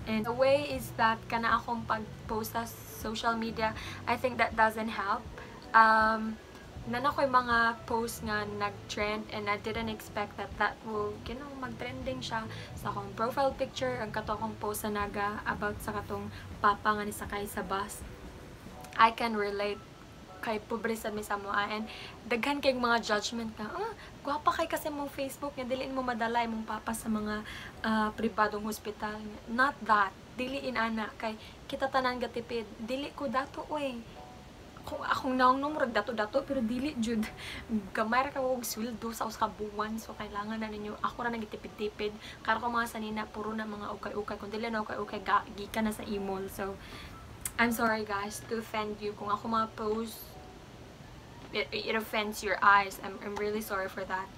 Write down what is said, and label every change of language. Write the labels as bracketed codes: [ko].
[en] And the way is that [ceb] kana akong pag-post sa [en] social media, I think that doesn't help. [ceb] Nana ko'y mga posts nga nag-trend, [en] and I didn't expect that will, you know, [ceb] mag-trending siya sa akong profile picture, ang katokong post na naga about sa katong papa nga ni sakay sa bus. [en] I can relate [ceb] kay pobre sa misa mo, and daghan kay mga judgment na, guwapa kay kasi mong Facebook nga, diliin mo madalay mong papa sa mga pribadong hospital. [en] Not that. [ceb] Diliin ana, kay kita tanan gatipid, dili ko dato oy. Kung akong naong numero, dato-dato, pero dili, jud. Gamay ra ka kong sweldo sa usa ka buwan, so kailangan na ninyo. Ako ra nagitipid-tipid. Karo ko mga sanina, puro na mga ukay-ukay. Kung dili na ukay-ukay, gika na sa imol. [en] So, I'm sorry guys to offend you. [ceb] Kung ako mga post, [en] it offends your eyes. I'm really sorry for that.